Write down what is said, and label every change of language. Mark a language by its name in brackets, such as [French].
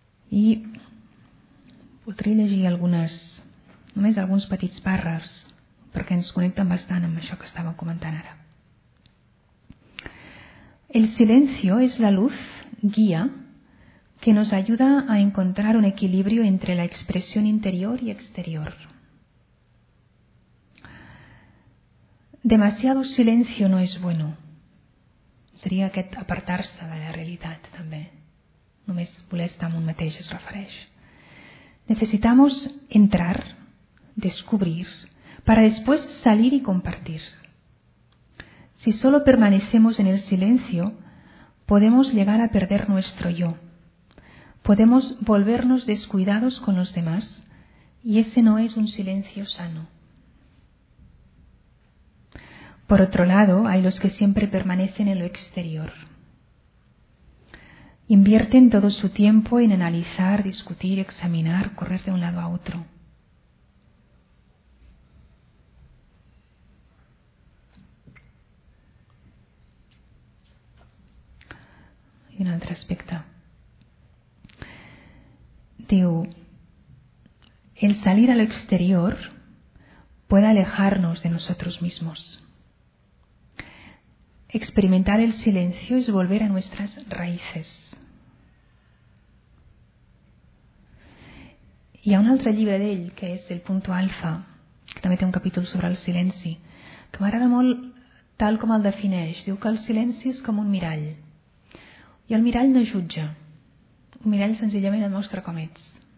[Catalan] I voldria llegir només alguns petits pàrrafs perquè ens connecten bastant amb això que estàvem comentant ara. [Spanish] El silencio es la luz guía que nos ayuda a encontrar un equilibrio entre la expresión interior y exterior. Demasiado silencio no es bueno. [Catalan] Seria aquest apartar-se de la realitat, també. Només voler estar amb un mateix es refereix. [Spanish] Necesitamos entrar, descubrir, para después salir y compartir. Si solo permanecemos en el silencio, podemos llegar a perder nuestro yo. Podemos volvernos descuidados con los demás y ese no es un silencio sano. Por otro lado, hay los que siempre permanecen en lo exterior. Invierten todo su tiempo en analizar, discutir, examinar, correr de un lado a otro. Y un otro aspecto. Diu, el salir a lo exterior puede alejarnos de nosotros mismos. Experimentar el silencio es volver a nuestras raíces. [Catalan] Hi ha un altre llibre d'ell, que és El Punto Alfa, que també té un capítol sobre el silenci, que m'agrada molt tal com el defineix. Diu que el silenci és com un mirall. I el mirall no jutja. Un mirall senzillament et mostra com ets.